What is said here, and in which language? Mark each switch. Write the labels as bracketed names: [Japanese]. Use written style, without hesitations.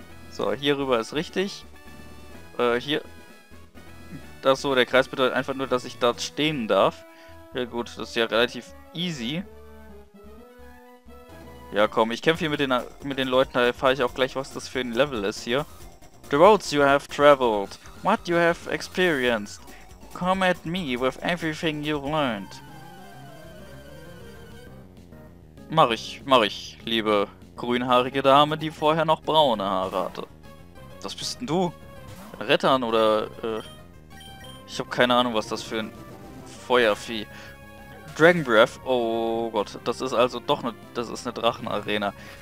[German] So, hier rüber ist richtig. Hier. Das so, der Kreis bedeutet einfach nur, dass ich dort stehen darf. Ja gut, das ist ja relativ easy. Ja komm, ich kämpfe hier mit den Leuten, da erfahre ich auch gleich, was das für ein Level ist hier. [English] The roads you have traveled, what you have experienced, come at me with everything you've learned. [German] Mach ich, liebe grünhaarige Dame, die vorher noch braune Haare hatte. Was bist denn du? Rettern oder, ich habe keine Ahnung, was das für ein Feuervieh. Dragon Breath, oh Gott, das ist also doch eine, das ist eine Drachenarena.